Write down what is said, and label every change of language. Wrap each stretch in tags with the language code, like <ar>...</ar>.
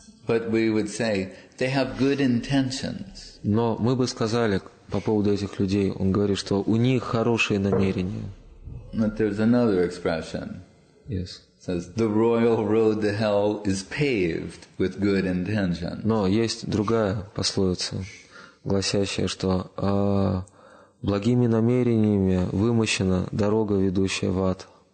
<en>But we would say they have good intentions.</en> <ru>Но мы бы сказали по поводу этих людей. Он говорит, что у них хорошие намерения.</ru> <en>But there's another expression. Yes. It says the royal road to hell is paved with good intentions.</en> <ru>Но есть другая пословица, гласящая, что благими намерениями вымощена дорога, ведущая в ад.</ru>